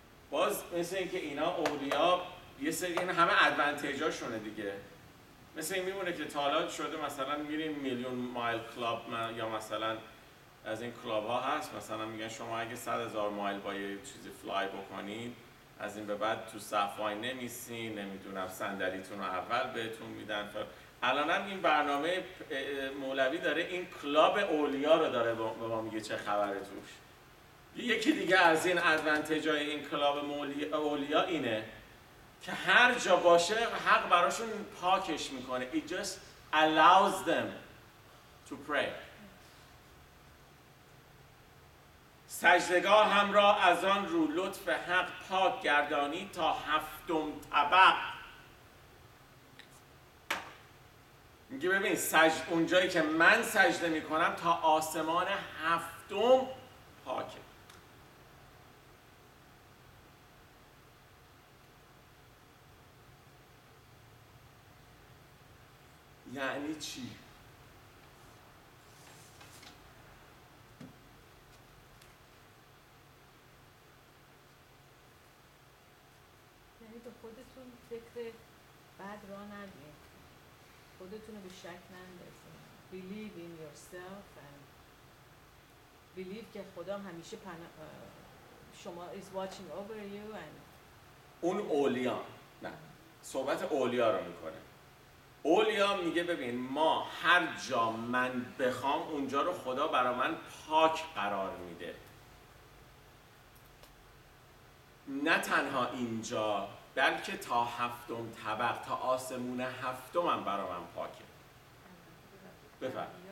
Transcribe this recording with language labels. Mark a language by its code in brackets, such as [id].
[fa] باز مثل این که اینا اولیا یه سری، این همه ادوانتیج هاشونه دیگه، مثل این میمونه که تالات شده مثلا میریم میلیون مایل کلاب، یا مثلا از این کلاب ها هست، مثلا میگن شما اگه 100,000 مایل با یه چیزی فلای بکنید از این به بعد تو صفای نمیسین، نمیدونم صندلیتون رو اول بهتون میدن. الان هم این برنامه مولوی داره این کلاب اولیا رو داره به ما میگه چه خبره توش. یکی دیگه از این ادوانتیجای این کلاب اولیا اینه که هر جا باشه حق براشون پاکش میکنه. [en] It just allows them to pray. [fa] سجدگاه هم را از آن رو لطف حق پاک گردانی تا هفتم طبق. میگه ببین اونجایی که من سجده میکنم تا آسمان هفتم پاکه. یعنی چی؟ یعنی به خودتون فکر بد را ندین، خودتون رو به شک نندازین. [en] Believe in yourself and believe [fa] که خدا همیشه شما [en] is watching over you and [fa] اون اولیا، نه صحبت اولیا رو میکنه. اولیا میگه ببین ما هر جا من بخوام اونجا رو خدا برای من پاک قرار میده، نه تنها اینجا بلکه تا هفتم طبق، تا آسمون هفتم هم برای من پاکه. بفرم.